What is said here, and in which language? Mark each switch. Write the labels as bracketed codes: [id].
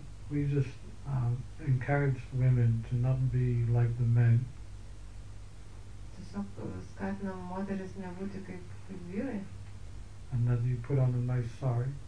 [en] We just encourage women to not be like the men. [lt] Tiesiog skatinam moteris nebūti kaip vyrai. [en] And that you put on a nice sari.